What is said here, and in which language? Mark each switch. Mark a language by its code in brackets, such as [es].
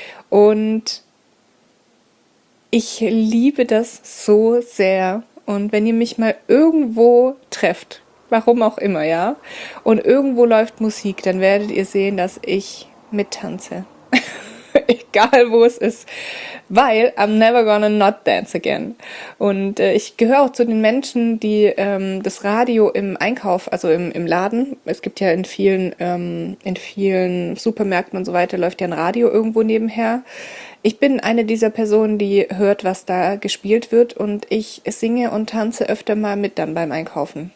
[de] Und ich liebe das so sehr. Und wenn ihr mich mal irgendwo trefft, warum auch immer, ja, und irgendwo läuft Musik, dann werdet ihr sehen, dass ich mittanze. Egal wo es ist. Weil [en] I'm never gonna not dance again. [de] Und ich gehöre auch zu den Menschen, die das Radio im Einkauf, also im Laden, es gibt ja in vielen Supermärkten und so weiter, läuft ja ein Radio irgendwo nebenher. Ich bin eine dieser Personen, die hört, was da gespielt wird, und ich singe und tanze öfter mal mit dann beim Einkaufen.